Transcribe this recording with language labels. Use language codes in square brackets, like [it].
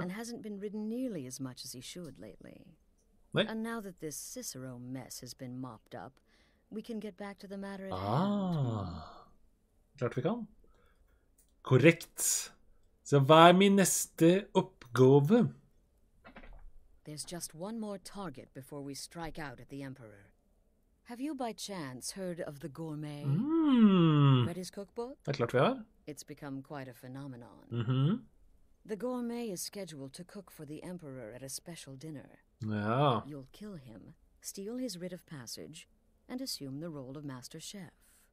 [en] And hasn't been ridden nearly as much as he should lately. [no] Nei. [en] And now that this Cicero mess has been mopped up, we can get back to the matter at hand. [no] Ah, klart vi kan. Korrekt. Så hva er min neste oppgave? [en] There's just one more target before we strike out at the Emperor. Have you by chance heard of the Gourmet? Mm. Read his cookbook? [no] Det er klart vi har. [en] It's become quite a phenomenon. Mm-hmm. The Gourmet is scheduled to cook for the Emperor at a special dinner. [no] Ja. [en] You'll kill him, steal his writ of passage, and assume the role of Master Chef.